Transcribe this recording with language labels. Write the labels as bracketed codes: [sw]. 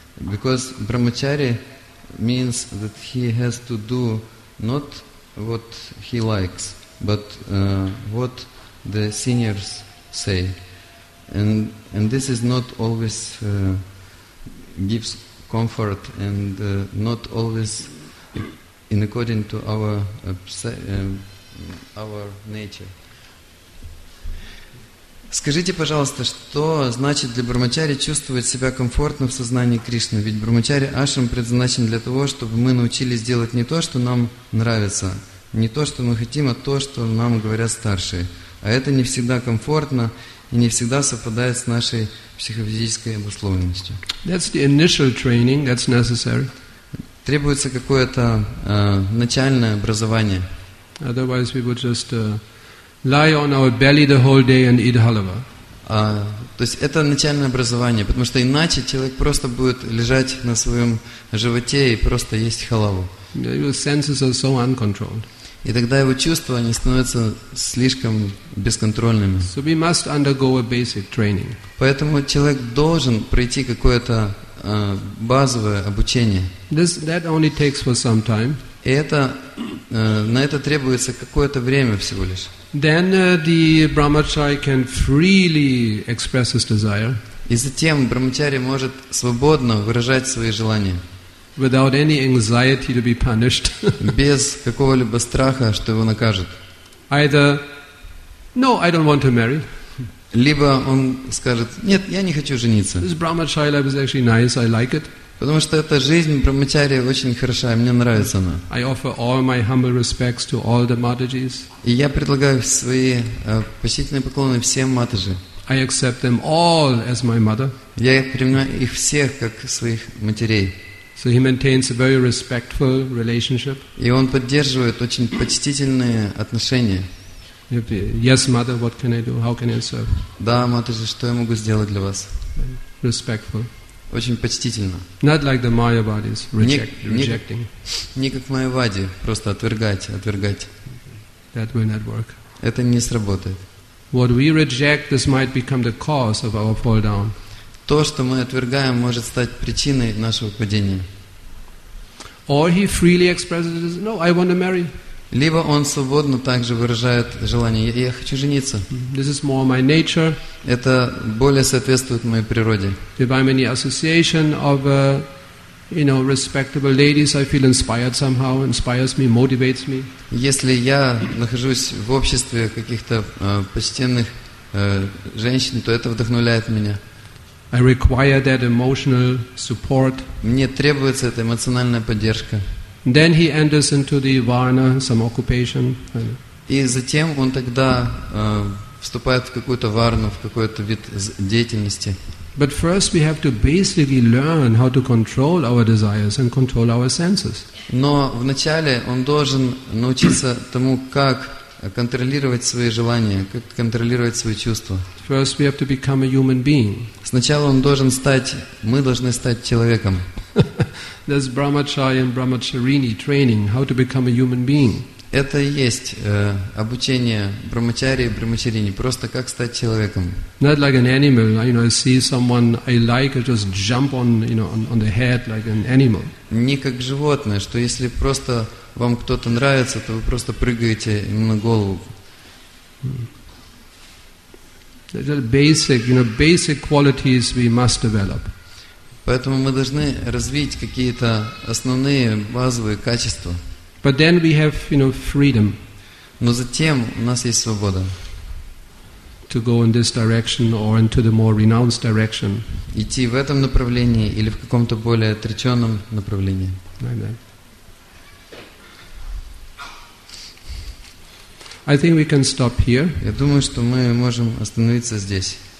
[en] Because brahmachari means that he has to do not what he likes, but what the seniors say. And this is not always gives comfort and not always in according to our nature. [ru] Скажите, пожалуйста, что значит для брахмачари чувствовать себя комфортно в сознании Кришны? Ведь брахмачари ашрам предназначен для того, чтобы мы научились делать не то, что нам нравится, не то, что мы хотим, а то, что нам говорят старшие. А это не всегда комфортно и не всегда совпадает с нашей психофизической обусловленностью. [en] That's the initial training, that's necessary. [ru] Требуется какое-то начальное образование. [en] Otherwise we would just lie on our belly the whole day and eat halva. [ru] То есть это начальное образование, потому что иначе человек просто будет лежать на своем животе и просто есть халаву. [en] Your senses are so uncontrolled. [ru] И тогда его чувства, они становятся слишком бесконтрольными. [en] So we must undergo a basic training. [ru] Поэтому человек должен пройти какое-то базовое обучение. [en] This, that only takes for some time. [ru] И это, на это требуется какое-то время всего лишь. [en] Then the brahmachari can freely express his desire. [ru] И затем брахмачари может свободно выражать свои желания. [en] Without any anxiety to be punished. [ru] Без какого-либо страха, что его накажут. [en] Either, no, I don't want to marry. [ru] Либо он скажет, нет, я не хочу жениться. [en] This brahmachari life is actually nice, I like it. [ru] Потому что эта жизнь брахмачари очень хороша, мне нравится она. [en] I offer all my humble respects to all the matajis. [ru] И я предлагаю свои почтительные поклоны всем матаджи. [en] I accept them all as my mother. [ru] Я принимаю их всех как своих матерей. [en] So he maintains a very respectful relationship. [ru] И он поддерживает очень почтительные отношения. [en] Yes, mother, what can I do? How can I serve? [ru] Да, матерь, что я могу сделать для вас? [en] Respectful. [ru] Очень почтительно. [en] Not like the Mayavadis, rejecting. [ru] Не как Майявади, просто отвергать. [en] That will not work. [ru] Это не сработает. [en] What we reject, this might become the cause of our fall down. [ru] То, что мы отвергаем, может стать причиной нашего падения. [en] Or he freely expresses, no, I want to marry. [ru] Либо он свободно также выражает желание, я хочу жениться. [en] This is more my nature. [ru] Это более соответствует моей природе. [en] If I'm in the association of, respectable ladies, I feel inspired somehow, inspires me, motivates me. [ru] Если я нахожусь в обществе каких-то почтенных женщин, то это вдохновляет меня. [en] I require that emotional support. [ru] Мне требуется эта эмоциональная поддержка. [en] Then he enters into the varna, some occupation. [ru] И затем он тогда вступает в какую-то варну, в какой-то вид деятельности. [en] But first we have to basically learn how to control our desires and control our senses. [ru] Но вначале он должен научиться тому, как контролировать свои желания, как контролировать свои чувства. [en] First we have to become a human being. [ru] Сначала он должен стать, мы должны стать человеком. [en] That's brahmachari and brahmacharini training, how to become a human being. [ru] Это и есть обучение брахмачари и брахмачарини, просто как стать человеком. [en] Not like an animal, I see someone I like, I just jump on the head like an animal. [ru] Не как животное, что если просто вам кто-то нравится, то вы просто прыгаете на голову. [en] Basic qualities we must develop. [ru] Поэтому мы должны развить какие-то основные базовые качества. [en] But then we have, freedom. [ru] Но затем у нас есть свобода. [en] To go in this direction or into the more renounced direction. [ru] Идти в этом направлении или в каком-то более отреченном направлении. [en] I think we can stop here. [ru] Я думаю, что мы можем остановиться здесь.